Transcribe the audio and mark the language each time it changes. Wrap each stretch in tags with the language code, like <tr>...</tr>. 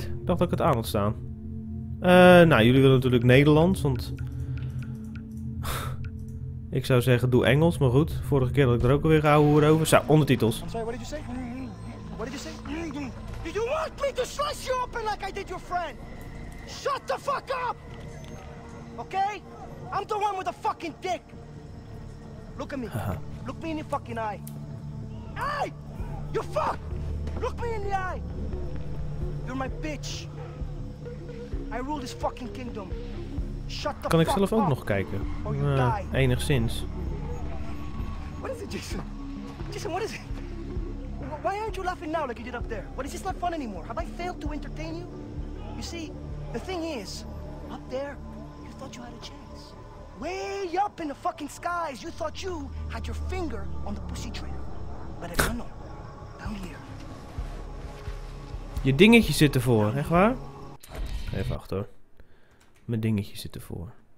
<nl>Ik dacht dat ik het aan had staan. Nou, jullie willen natuurlijk Nederlands, want... ik zou zeggen, doe Engels, maar goed. Vorige keer had ik er ook alweer gehouden hoer over. Zo, ondertitels.</nl> <en>I'm sorry, what did you say? What did you say? You want me to slice you open like I did your friend? Shut the fuck up! Okay? I'm the one with the fucking dick. Look at me. Look me in your fucking eye. Hey! You fuck! Look me in the eye! You're my bitch. I rule this fucking kingdom. Shut the</en> <nl>kan</nl> <en>fuck</en> <nl>ik zelf ook</nl> <en>up,</en> <nl>nog kijken? Enigszins.</nl> <en>What is it, Jason? Jason, what is it? Why aren't you laughing now like you did up there? What is this not fun anymore? Have I failed to entertain you? You see, the thing is, up there, you thought you had a chance. Way up in the fucking skies, you thought you had your finger on the pussy trigger. But I don't know. Down here.</en> <nl>Je dingetje zit ervoor, echt waar? Even wachten hoor. Mijn dingetje zit ervoor.</nl>